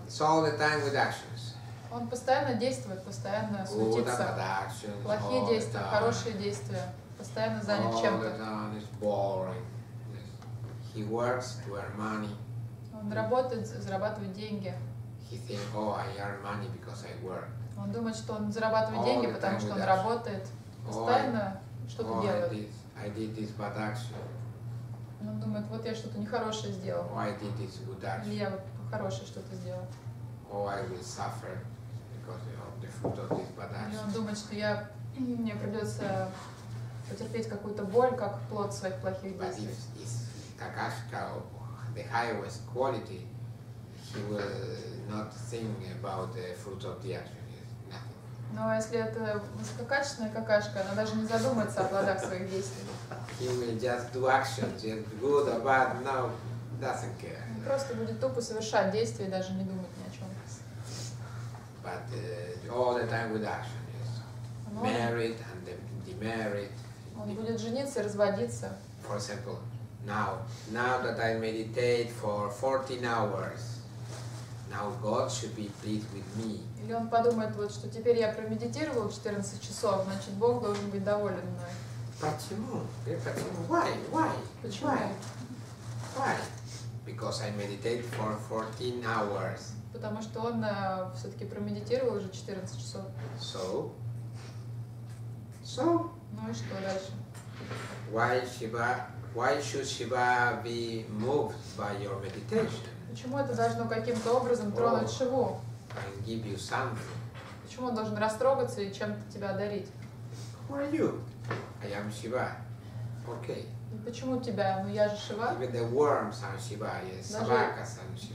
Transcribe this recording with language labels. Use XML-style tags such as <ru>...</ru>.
<en>It's all the time with actions.</en> <ru>Он постоянно действует, постоянно суетится. Плохие действия, хорошие действия. Постоянно занят чем-то.</ru> <en>He works to earn money.</en> <ru>Он работает, зарабатывает деньги.</ru> <en>He thinks, oh, I earn money because I work.</en> <ru>Он думает, что он зарабатывает деньги, потому что он работает. Постоянно что-то делает.</ru> <en>I did this bad action.</en> <ru>Он думает, вот я что-то нехорошее сделал.</ru> <en>Oh, I did this good action.</en> <ru>Или я хорошее что-то сделал.</ru> <en>Oh, I will suffer because of the fruit of this bad action.</en> <ru>Или он думает, что мне придется потерпеть какую-то боль, как плод своих плохих действий.</ru> <en>Какашка, the highest quality, he will not think about the fruit of the action. It's nothing.</en> <ru>Но если это высококачественная какашка, она даже не задумается о плодах своих действий.</ru> <en>He will just do actions, good or bad, no, doesn't care.</en> <ru>Он просто будет тупо совершать действия и даже не думать ни о чем.</ru> <en>But all the time with action, yes. Married and the demarried.</en> <ru>Он будет жениться и разводиться.</ru> <en>For example. Now that I meditate for 14 hours, now God should be pleased with me.</en> <ru>Или он подумает, вот что теперь я промедитировал 14 часов, значит Бог должен быть доволен мной. Почему?</ru> <en>Why? Because I meditate for 14 hours.</en> <ru>Потому что он все-таки промедитировал уже 14 часов.</ru> <en>So?</en> <ru>Ну и что дальше?</ru> <en>Why should Shiva be moved by your meditation?</en> <ru>Почему это должно каким-то образом тронуть Шиву?</ru> <en>I give you something.</en> <ru>Почему он должен растрогаться и чем-то тебя одарить?</ru> <en>Who are you? I am Shiva. Okay.</en> <ru>И почему тебя? Ну я же Шива.</ru> <en>Even the worms are Shiva. Yes.</en> <ru>Собака сам Шива.</ru>